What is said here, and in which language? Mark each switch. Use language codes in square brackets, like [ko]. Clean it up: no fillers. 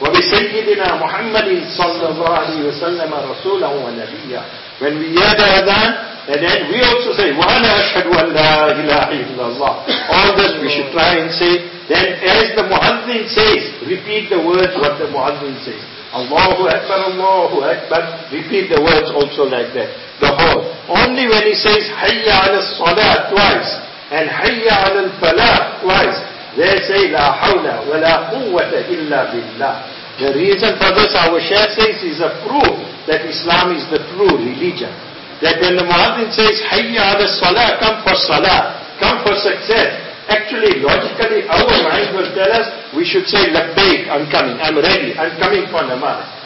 [ar] وبسيدنا محمد صلى الله عليه وسلم رسولا ونبيا. [en] When we hear the adhan, and then we also say, وَأَنَا أَشْهَدُ أَنْ لَا إِلَٰهَ إِلَّا اللَّهِ. All this we should try and say. Then as the muhadhin says, repeat the words what the muhadhin says. Allahu Akbar, Allahu Akbar. Repeat the words also like that. The whole. [ar] Only when he says, حَيَّ عَلَى الصَّلَاةِ twice, and حَيَّ عَلَى الْفَلَاةِ twice, they say, لَا حَوْلَ وَلَا قُوَّةَ إِلَّا بِاللَّهِ. [en] The reason for this, our Shaykh says, is a proof that Islam is the true religion. That when the Muhammad says, Hayya ala salah, come for salah, come for success. Actually, logically, our mind will tell us, we should say, Labbaik, I'm coming, I'm ready, I'm coming for namaz.